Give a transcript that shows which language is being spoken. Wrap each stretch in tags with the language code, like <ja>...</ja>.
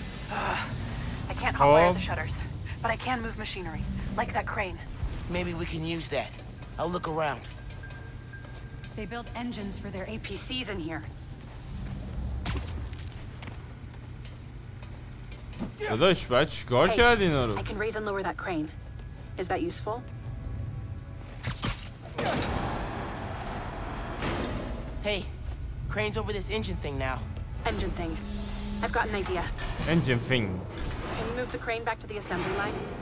<en>I can't hotwire the shutters, but I can move machinery, like that crane. Maybe we can use that. I'll look around. They built engines for their APCs in here.</en> <fa>داداش، بچه چیکار کردی اینا رو؟</fa> <en>I can raise and lower that crane. Is that useful? Hey, Crane's over this engine thing now. Engine thing. I've got an idea. Engine thing. Can you move the crane back to the assembly line?</en>